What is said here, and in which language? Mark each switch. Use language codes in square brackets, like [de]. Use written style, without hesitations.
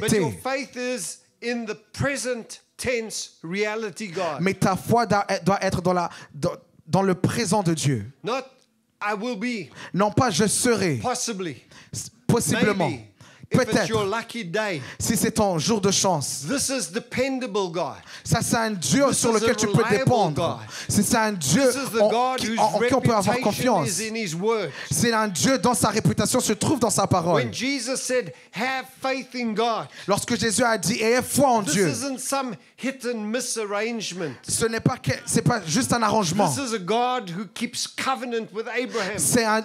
[en] But your faith is in the present tense reality God. [fr] Mais ta foi doit être dans le présent de Dieu. [en] Not I will be. [fr] Non pas je serai. [en] Possibly. [fr] Possiblement. [en] Maybe. Peut-être, if it's your lucky day, [fr] si c'est ton jour de chance, [en] this is dependable God. [fr] Ça, c'est un Dieu [en] this [fr] sur lequel tu peux dépendre. [en] God. [fr] C'est un Dieu en qui on peut avoir confiance. [en] Is in his word. [fr] C'est un Dieu dont sa réputation se trouve dans sa parole. [en] When Jesus said, have faith in God, [fr] lorsque Jésus a dit, aie foi en [en] this [fr] Dieu, [en] isn't some hit and miss arrangement. [fr] Ce n'est pas, que, c'est pas juste un arrangement. [en] This is a God who keeps covenant with Abraham,